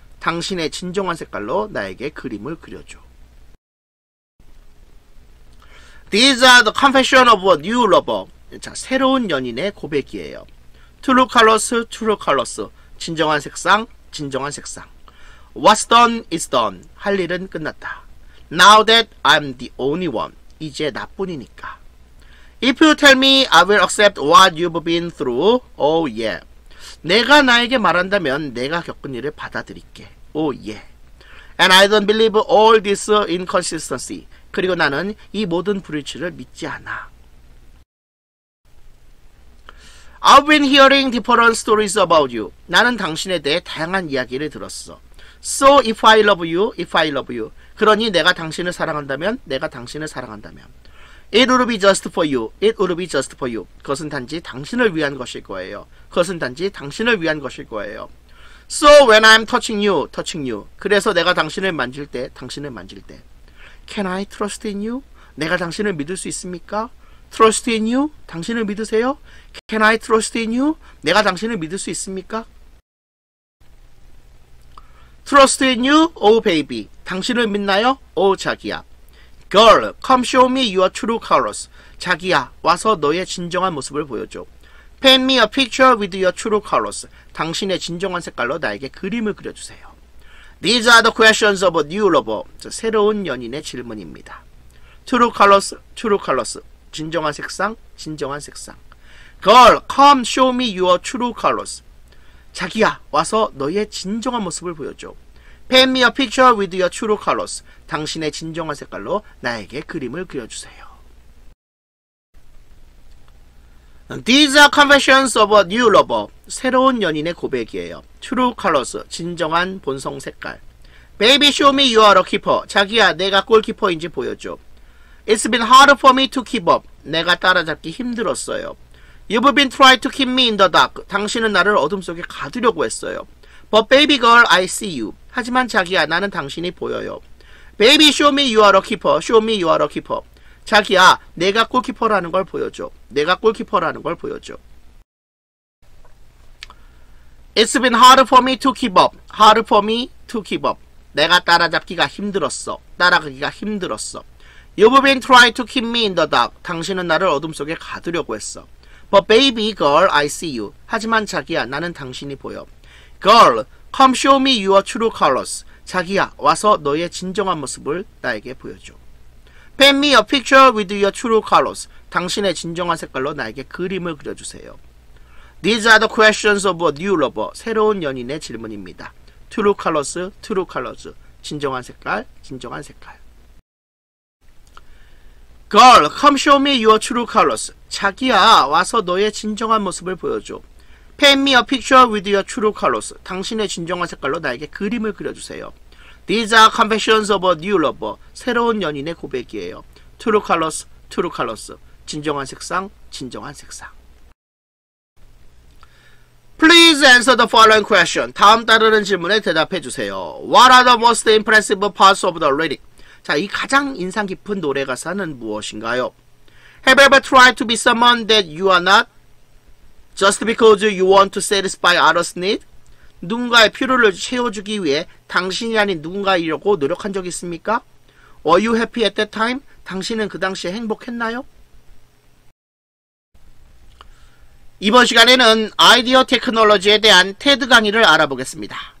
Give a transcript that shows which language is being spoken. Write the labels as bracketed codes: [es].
[ko] 당신의 진정한 색깔로 나에게 그림을 그려줘. [en] These are the confession of a new lover. [ko] 자, 새로운 연인의 고백이에요. [en] True colors, true colors. [ko] 진정한 색상, 진정한 색상. [en] What's done is done. [ko] 할 일은 끝났다. [en] Now that I'm the only one. [ko] 이제 나뿐이니까. [en] If you tell me, I will accept what you've been through. Oh yeah. [ko] 내가 나에게 말한다면 내가 겪은 일을 받아들일게. [en] Oh yeah. And I don't believe all this inconsistency. [ko] 그리고 나는 이 모든 불일치를 믿지 않아. [en] I've been hearing different stories about you. [ko] 나는 당신에 대해 다양한 이야기를 들었어. [en] So if I love you, if I love you. [ko] 그러니 내가 당신을 사랑한다면, 내가 당신을 사랑한다면. [en] It would be just for you, it would be just for you. [ko] 그것은 단지 당신을 위한 것일 거예요. 그것은 단지 당신을 위한 것일 거예요. [en] So when I'm touching you. [ko] 그래서 내가 당신을 만질 때, 당신을 만질 때. [en] Can I trust in you? [ko] 내가 당신을 믿을 수 있습니까? [en] Trust in you? [ko] 당신을 믿으세요? [en] Can I trust in you? [ko] 내가 당신을 믿을 수 있습니까? [en] Trust in you, oh baby. [ko] 당신을 믿나요? [en] Oh, [ko] 자기야. [en] Girl, come show me your true colors. [ko] 자기야, 와서 너의 진정한 모습을 보여줘. [en] Paint me a picture with your true colors. [ko] 당신의 진정한 색깔로 나에게 그림을 그려주세요. [en] These are the questions of a new lover. [ko] 새로운 연인의 질문입니다. [en] True colors, true colors. [ko] 진정한 색상, 진정한 색상. [en] Girl, come show me your true colors. [ko] 자기야, 와서 너의 진정한 모습을 보여줘. [en] Paint me a picture with your true colors. [ko] 당신의 진정한 색깔로 나에게 그림을 그려주세요. [en] These are confessions of a new lover. [ko] 새로운 연인의 고백이에요. [en] True colors, [ko] 진정한 본성 색깔. [en] Baby, show me you are a keeper. [ko] 자기야, 내가 골키퍼인지 보여줘. [en] It's been hard for me to keep up. [ko] 내가 따라잡기 힘들었어요. [en] You've been trying to keep me in the dark. [ko] 당신은 나를 어둠 속에 가두려고 했어요. [en] But baby girl, I see you. [ko] 하지만 자기야, 나는 당신이 보여요. [en] Baby, show me you are a keeper. Show me you are a keeper. [ko] 자기야, 내가 골키퍼라는 걸 보여줘. 내가 골키퍼라는 걸 보여줘. [en] It's been hard for me to keep up. Hard for me to keep up. [ko] 내가 따라잡기가 힘들었어. 따라가기가 힘들었어. [en] You've been trying to keep me in the dark. [ko] 당신은 나를 어둠 속에 가두려고 했어. [en] But baby girl, I see you. [ko] 하지만 자기야, 나는 당신이 보여. [en] Girl, come show me your true colors. [ko] 자기야, 와서 너의 진정한 모습을 나에게 보여줘. [en] Paint me a picture with your true colors. [ko] 당신의 진정한 색깔로 나에게 그림을 그려주세요. [en] These are the questions of a new lover. [ko] 새로운 연인의 질문입니다. [en] True colors, true colors. [ko] 진정한 색깔, 진정한 색깔. [en] Girl, come show me your true colors. [ko] 자기야, 와서 너의 진정한 모습을 보여줘. [en] Paint me a picture with your true colors. [ko] 당신의 진정한 색깔로 나에게 그림을 그려주세요. [en] These are confessions of a new lover. [ko] 새로운 연인의 고백이에요. [en] True colors, true colors. [ko] 진정한 색상, 진정한 색상. [en] Please answer the following question. [ko] 다음 따르는 질문에 대답해 주세요. [en] What are the most impressive parts of the lyric? [ko] 자, 이 가장 인상 깊은 노래 가사는 무엇인가요? [en] Have you ever tried to be someone that you are not? Just because you want to satisfy others' need? [ko] 누군가의 필요를 채워주기 위해 당신이 아닌 누군가이려고 노력한 적 있습니까? [en] Were you happy at that time? [ko] 당신은 그 당시에 행복했나요? 이번 시간에는 아이디어 테크놀로지에 대한 테드 강의를 알아보겠습니다.